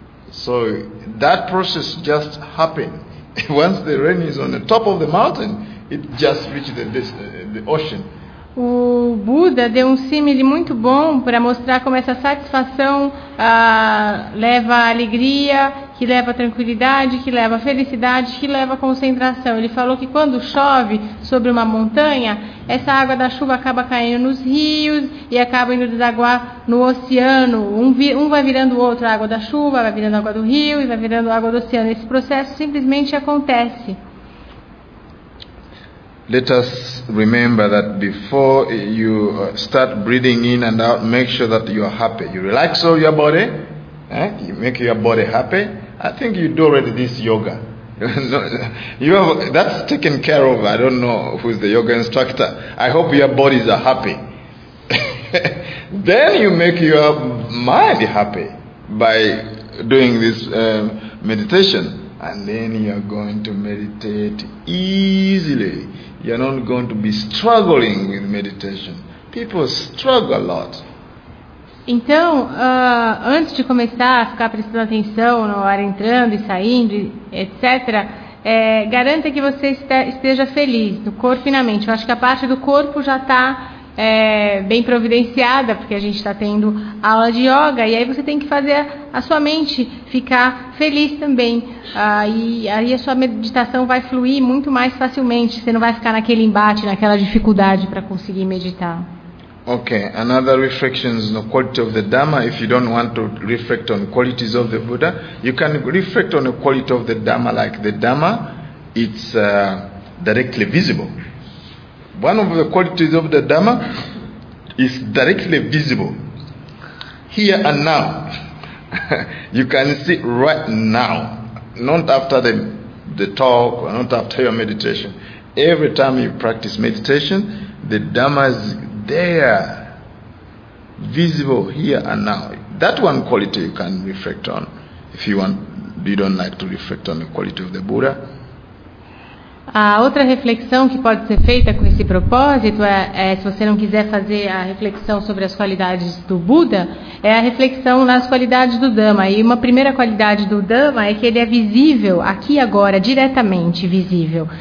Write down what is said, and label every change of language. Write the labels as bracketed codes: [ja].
[en] So that process just happened. Once the rain is on the top of the mountain, it just reaches the ocean. [pt] O Buda deu um símile muito bom para mostrar como essa satisfação leva alegria, que leva tranquilidade, que leva felicidade, que leva concentração. Ele falou que quando chove sobre uma montanha, essa água da chuva acaba caindo nos rios e acaba indo desaguar no oceano. Um vai virando o outro, a água da chuva vai virando a água do rio e vai virando a água do oceano. Esse processo simplesmente acontece. [en] Let us remember that before you start breathing in and out, make sure that you are happy. You relax all your body, you make your body happy. I think you do already this yoga. That's taken care of. I don't know who is the yoga instructor. I hope your bodies are happy. Then you make your mind happy by doing this meditation. And then you are going to meditate easily. You are not going to be struggling with meditation. People struggle a lot. [pt] Então, antes de começar a ficar prestando atenção no ar entrando e saindo, etc., garanta que você esteja feliz no corpo e na mente. Eu acho que a parte do corpo já está bem providenciada, porque a gente está tendo aula de yoga, e aí você tem que fazer a sua mente ficar feliz também. E aí a sua meditação vai fluir muito mais facilmente, você não vai ficar naquele embate, naquela dificuldade para conseguir meditar. [en] Okay, another reflection is the quality of the Dhamma. If you don't want to reflect on qualities of the Buddha, you can reflect on the quality of the Dhamma, like the Dhamma, it's directly visible. One of the qualities of the Dhamma is directly visible. Here and now. You can see right now. Not after the talk, or not after your meditation. Every time you practice meditation, the Dhamma is there, visible here and now. That one quality you can reflect on if you don't like to reflect on the quality of the Buddha. [pt] A outra reflexão que pode ser feita com esse propósito é se você não quiser fazer a reflexão sobre as qualidades do Buda, é a reflexão nas qualidades do Dhamma. E uma primeira qualidade do Dhamma é que ele é visível, aqui e agora, diretamente visível.